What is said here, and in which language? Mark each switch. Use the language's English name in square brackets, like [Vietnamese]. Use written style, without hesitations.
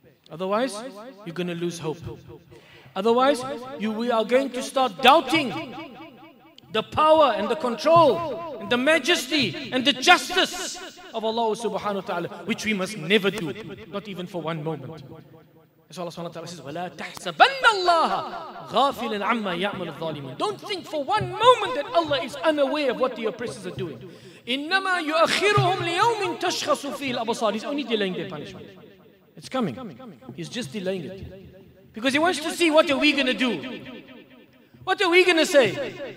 [English] Otherwise, you're going to lose hope. Otherwise, we are going to start doubting the power and the control and the majesty and the justice of Allah subhanahu wa ta'ala, which we must never do, not even for one moment. As Allah subhanahu wa ta'ala says, [Arabic] وَلَا تَحْسَبَنَّ اللَّهَ غَافِلًا عَمَّا يَعْمَلُ الظَّالِمُونَ. [English] Don't think for one moment that Allah is unaware of what the oppressors are doing. [Arabic] إِنَّمَا يُؤَخِّرُهُمْ لِيَوْمٍ تَشْخَصُ فِيهِ الْأَبْصَارِ. [English] He's only delaying their punishment. It's coming. He's just delaying it. Because he wants to see what are we going to do. What are we going to say?